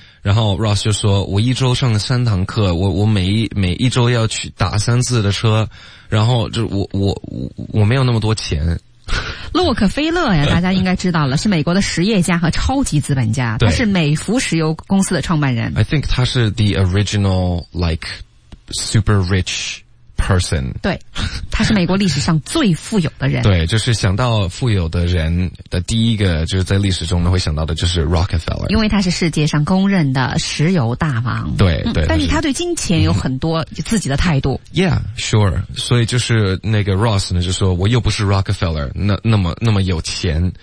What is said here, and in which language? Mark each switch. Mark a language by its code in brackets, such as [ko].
[zh] 然后 Ross 就说我一周上了三堂课，我每一周要去打三次的车，然后就我没有那么多钱。洛克菲勒呀，大家应该知道了，是美国的实业家和超级资本家，他是美孚石油公司的创办人。 [en] I think [zh] 他是 [en] the original, like, super rich person. [zh] 对，他是美国历史上最富有的人。对，就是想到富有的人的第一个，就是在历史中呢会想到的就是 Rockefeller。因为他是世界上公认的石油大王。对对。但是他对金钱有很多自己的态度。 [en] Yeah, sure. [zh] 所以就是那个 Ross 呢就说我又不是 Rockefeller, 那么有钱。